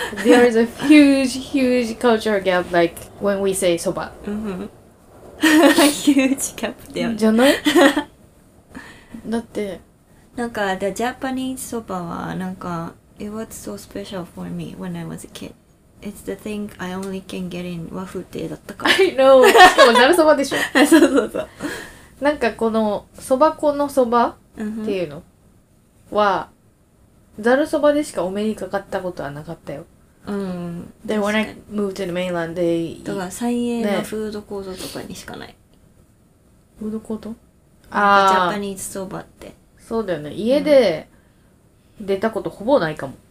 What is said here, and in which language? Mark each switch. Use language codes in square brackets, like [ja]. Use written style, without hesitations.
[en] There is a huge, huge culture gap like when we say そば。 Huge gap [ja] だよ。じゃない？だって。 [en] なんか、the Japanese [ja] そばはなんか、 [en] it was so special for me when I was a kid. It's the thing I only can get in [ja] 和風亭だったから。 [en] I know! [ja] しかもざるそばでしょ。そうそうそう。なんかこの、そば粉のそばっていうの、は、ざるそばでしかお目にかかったことはなかったよ。うん。 [en] で、when I moved to the mainland, they... [ja] だから、サイエーのフードコートとかにしかない。ね、フードコート？ああ。ジャパニーズそばって。そうだよね。家で出たことほぼないかも。